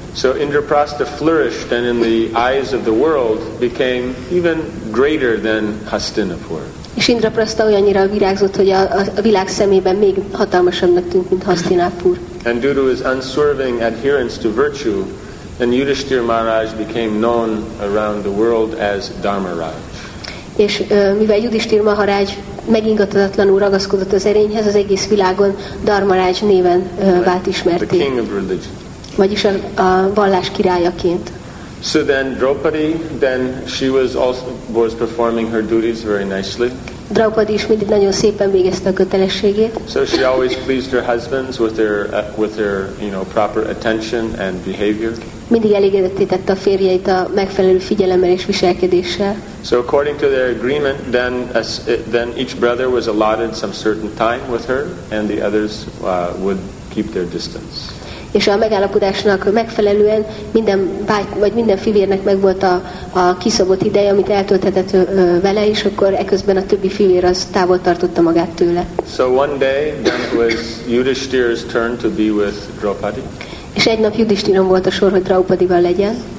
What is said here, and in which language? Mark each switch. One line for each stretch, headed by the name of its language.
English: So Indraprastha flourished and in the eyes of the world became even greater than Hastinapur.
Hungarian: És Indraprastha olyannyira virágzott, hogy a világ szemében még hatalmasabbnak tűnt, mint Hastinapur.
English: And due to his unswerving adherence to virtue, then Yudhishthira Maharaj became known around the world as Dharmaraj.
Hungarian: És mivel Yudhishthira Maharaj megingathatatlanul ragaszkodott az erényhez, az egész világon Dharmaraj néven vált ismertté.
English: The king of religion.
Hungarian: Vagyis a vallás királyaként.
English: So then Draupadi, then she was also was performing her duties very nicely.
Hungarian: Draupadi is mindig nagyon szépen végezte a kötelességét.
English: So she always pleased her husbands with her you know, proper attention and behavior.
Hungarian: Mindig elégedetté tette a férjeit a megfelelő figyelemmel és viselkedéssel.
English: So according to their agreement, then each brother was allotted some certain time with her, and the others would keep their distance.
Hungarian: És a megállapodásnak megfelelően minden báty, vagy minden fivérnek megvolt a kiszabott ideje, amit eltölthetett vele, és akkor eközben a többi fivér az távol tartotta magát tőle.
English: So one day then was Yudhishthira's turn to be with Draupadi.
Hungarian: És egy nap Yudhishthira volt a sor, hogy Draupadival legyen.